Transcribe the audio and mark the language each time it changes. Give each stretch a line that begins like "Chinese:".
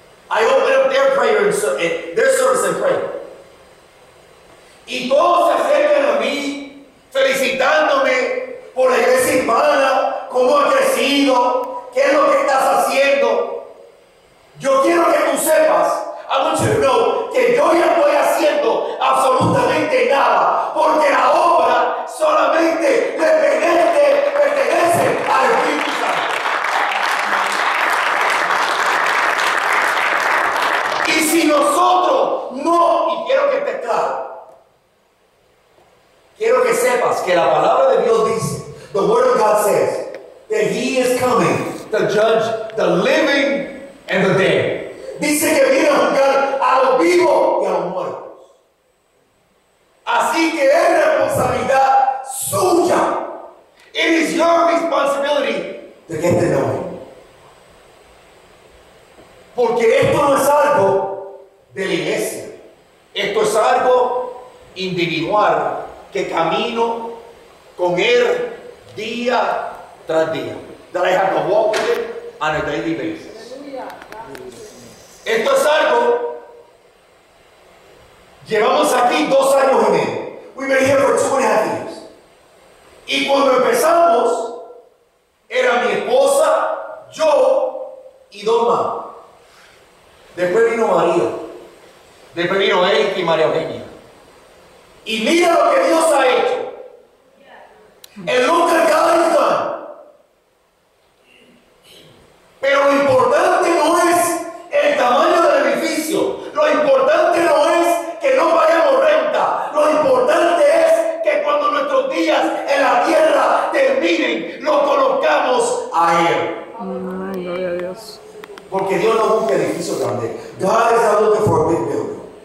English: I open up their prayer and their service and prayer.
Spanish: Y todos se acercan a mí felicitándome por la iglesia hispana, cómo ha crecido, qué es lo que estás haciendo. Yo quiero que tú sepas,
English: I want you to know,
Spanish: que yo ya estoy haciendo absolutamente nada, porque la obra solamente pertenece al Espíritu. Si nosotros no, y quiero que esté claro, quiero que sepas que la palabra de Dios dice,
English: the word of God says,
Spanish: that he is coming to judge the living and the dead. Dice que viene a juzgar a los vivos y a los muertos. Así que es responsabilidad suya.
English: It is your responsibility to get to know him.
Spanish: Porque esto no es algo de la iglesia. Esto es algo individual que camino con él día tras día.
English: That I have to walk with it on a daily basis.
Spanish: Esto es algo, llevamos aquí 2 años y medio.
English: We've been here for 2.5 years.
Spanish: Y cuando empezamos, era mi esposa, yo y dos más. Después vino María. Después vino Eric y María Eugenia. Y mira lo que Dios ha hecho.
English: And look at God has done.
Spanish: Pero lo importante no es el tamaño del edificio. Lo importante no es que no pagamos renta. Lo importante es que cuando nuestros días en la tierra terminen, lo colocamos a Él. Ay, gloria a Dios. Porque Dios no busca edificio grande.
English: God is not looking for a big building.